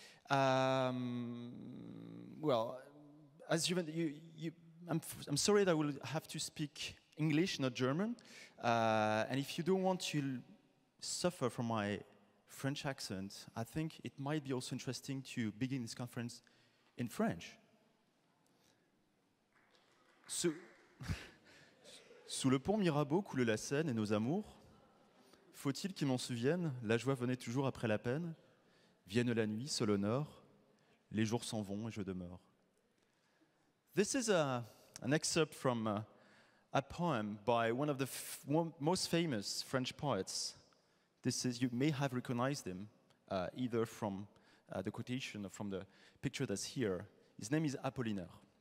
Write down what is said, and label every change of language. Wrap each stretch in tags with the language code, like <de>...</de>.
<en>Well, as you mentioned, I'm sorry that I will have to speak English, not German. And if you don't want to suffer from my French accent, I think it might be also interesting to begin this conference in French.</en> <fr>Sous le pont Mirabeau coule la Seine et nos amours. Faut-il qu'ils m'en souviennent, la joie venait toujours après la peine. Vienne la nuit, seul honneur. Les jours s'en vont et je demeure.</fr> <en>This is an excerpt from a poem by one of the most famous French poets. This is, you may have recognized him either from the quotation or from the picture that's here. His name is Apollinaire.</en>